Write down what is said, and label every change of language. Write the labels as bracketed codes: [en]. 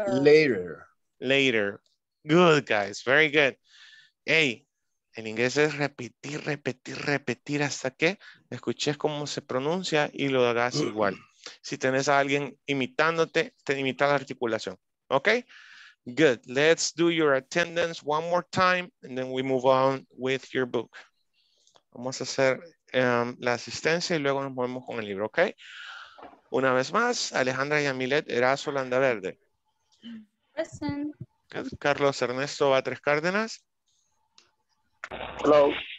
[en] Later. Later. Good, guys. Very good. Hey. [es] En inglés es repetir, repetir, repetir hasta que escuches cómo se pronuncia y lo hagas igual. Si tenés a alguien imitándote, te imita la articulación. [en] ¿Ok? Good. Let's do your attendance one more time and then we move on with your book. [es] Vamos a hacer la asistencia y luego nos movemos con el libro. ¿Ok? Una vez más, Alejandra Yamilet Erazo Landaverde. [en] Present. Good. Carlos Ernesto Batres Cárdenas. Hello.